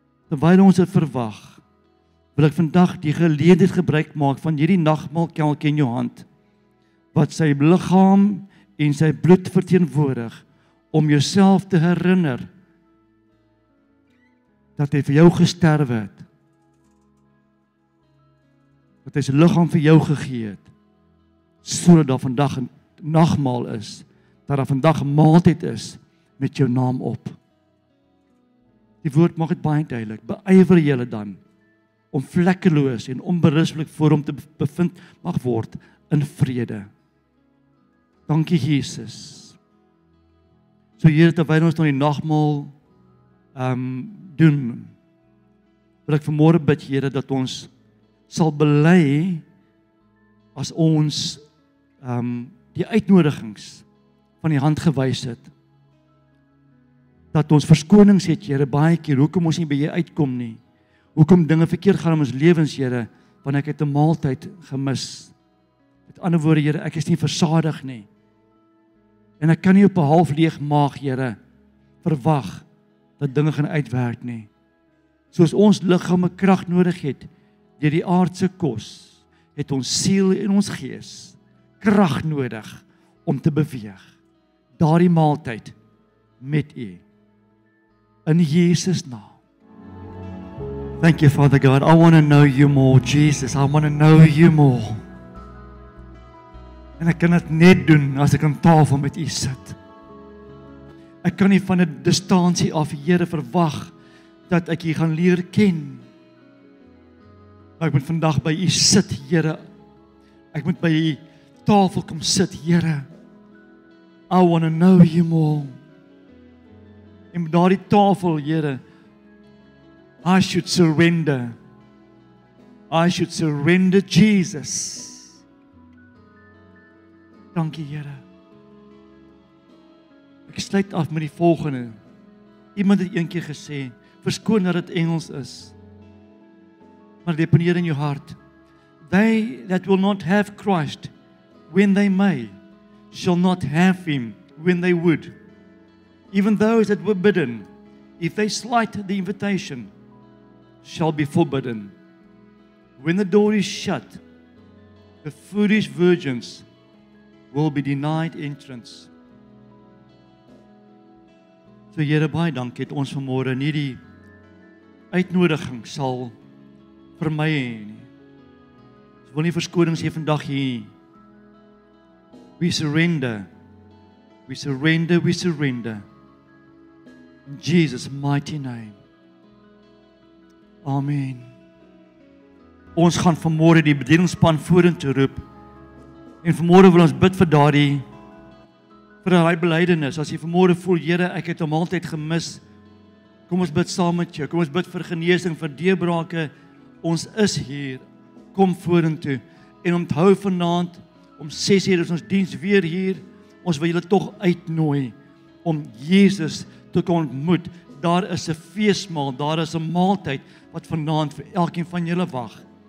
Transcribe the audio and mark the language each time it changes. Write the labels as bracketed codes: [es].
[af] Terwyl ons dit verwag, wil ek vandag die geleentheid gebruik maak van hierdie nagmaalkelk in jou hand wat sy liggaam en sy bloed verteenwoordig om jouself te herinner dat hy vir jou gesterwe het. Dat hy sy liggaam vir jou gegee het, sodat daar vandag 'n nagmaal is, dat daar vandag 'n maaltyd is met jou naam op. Die woord maak dit baie duidelik. Beywer julle dan om vlekkeloos en onberispelik voor hom te bevind mag word in vrede. Dankie Jesus. So Here, terwyl ons nou die nagmaal doen, wil ek vanmôre bid, Here, dat ons sal bely as ons die uitnodigings van die hand gewys het, dat ons verskonings het, Here, baie keer, hoekom ons nie by jy uitkom nie, hoekom dinge verkeerd gaan in ons lewens, Here, want ek het 'n maaltyd gemis. Met ander woorde, Here, ek is nie versadig nie, en ek kan nie op 'n half leeg maag, Here, verwag dat dinge gaan uitwerk nie. Soos ons liggame krag nodig het, deur die aardse kos, het ons siel en ons gees krag nodig om te beweeg. Daardie maaltyd met u. In Jesus naam. [en] Thank you, Father God. I want to know you more, Jesus. I want to know you more. [af] En ek kan dit net doen as ek aan tafel met u sit. Ek kan nie van 'n distansie af, Here, verwag dat ek u gaan leer ken. Ek moet vandag by u sit, Here. Ek moet by u tafel kom sit, Here. [en] I want to know you more. [af] In daardie tafel, Here, [en] I should surrender. I should surrender Jesus. [af] Dankie, Here. Ek sluit af met die volgende. Iemand het een keer gesê, verskoon dat dit Engels is. Maar deponeer in jou hart. [en] They that will not have Christ when they may shall not have him when they would. Even those that were bidden, if they slight the invitation, shall be forbidden. When the door is shut, the foolish virgins will be denied entrance. [af] So Here, baie dankie, het ons vanmôre nie die uitnodiging sal vir my nie. Ek wil nie verskonings hê vandag hier nie. [en] We surrender. We surrender, we surrender. In Jesus' mighty name. Amen. [af] Ons gaan vanmôre die bedieningspan vorentoe roep. En vanmôre wil ons bid vir daardie vir daai belydenis. As jy vanmôre voel, Here, ek het hom altyd gemis. Kom ons bid saam met jou. Kom ons bid vir genesing, vir deurbrake. Ons is hier kom vorentoe en onthou vanaand om 6:00 is ons diens weer hier. Ons wil julle tog uitnooi om Jesus te kom ontmoet. Daar is 'n feestmaal, daar is 'n maaltyd wat vanaand vir elkeen van julle wag.